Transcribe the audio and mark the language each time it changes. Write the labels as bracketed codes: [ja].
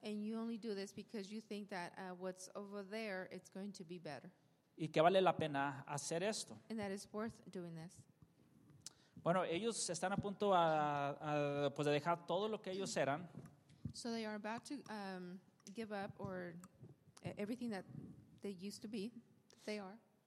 [en] And you only do this because you think that what's over there, it's going to be better. [es] Y que vale la pena hacer esto. [en] And that it's worth doing this. [es] Bueno, ellos están a punto pues de dejar todo lo que ellos eran. [en] So they are about to give up or everything that they used to be, that they are.